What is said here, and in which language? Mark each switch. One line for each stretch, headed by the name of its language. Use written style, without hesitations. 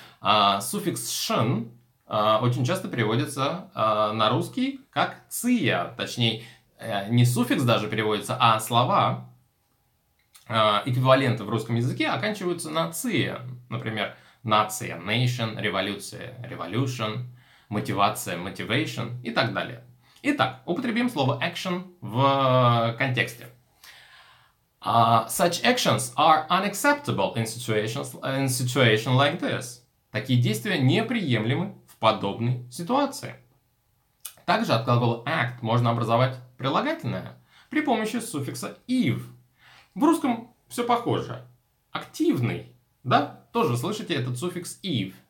Russian: Суффикс «шен» очень часто переводится на русский как «ция», точнее, не суффикс даже переводится, а слова, эквиваленты в русском языке, оканчиваются на «ция». Например, «нация» – «nation», «революция» – «revolution», «мотивация» – «motivation» и так далее. Итак, употребим слово «action» в контексте.
English: Such actions are unacceptable in situation like this.
Russian: Такие действия неприемлемы в подобной ситуации. Также от глагола act можно образовать прилагательное при помощи суффикса -ive. В русском все похоже. Активный, да, тоже слышите этот суффикс -ive.